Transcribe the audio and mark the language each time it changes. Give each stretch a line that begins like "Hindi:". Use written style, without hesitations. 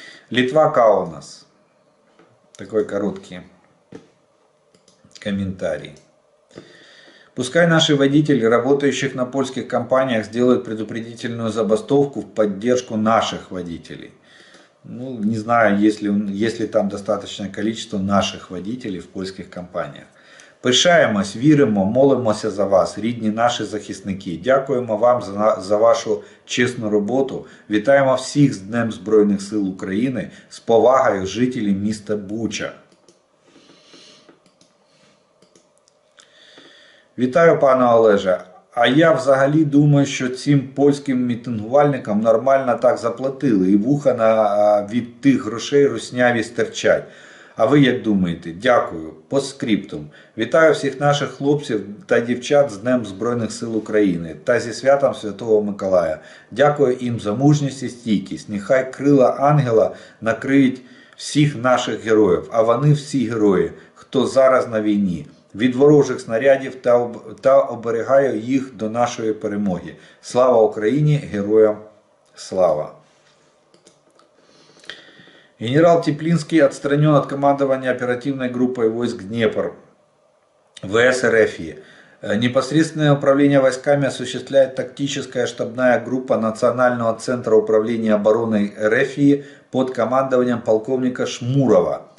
Russian: Литва Каунас. Такой короткий комментарий. Пускай наши водители, работающих на польских компаниях, сделают предупредительную забастовку в поддержку наших водителей. Ну, не знаю, есть ли там достаточное количество наших водителей в польских компаниях.
Ukrainian: Пишаємось, віримо, молимося за вас, рідні наші захисники. Дякуємо вам за вашу чесну роботу. Вітаємо всіх з Днем Збройних Сил України. З повагою, жителі міста Буча. Вітаю, пане Олеже. А я взагалі думаю, що цим польським мітингувальникам нормально так заплатили. І вуха від тих грошей русняві стирчать. А ви як думаєте? Дякую. По скриптум. Вітаю всіх наших хлопців та дівчат з Днем Збройних Сил України та зі святом Святого Миколая. Дякую їм за мужність і стійкість. Нехай крила ангела накриють всіх наших героїв. А вони всі герої, хто зараз на війні. Від ворожих снарядів та оберігаю їх до нашої перемоги. Слава Україні, героям слава.
Russian: Генерал Теплинский отстранен от командования оперативной группой войск Днепр, ВС РФ. Непосредственное управление войсками осуществляет тактическая штабная группа Национального центра управления обороной РФ под командованием полковника Шмурова.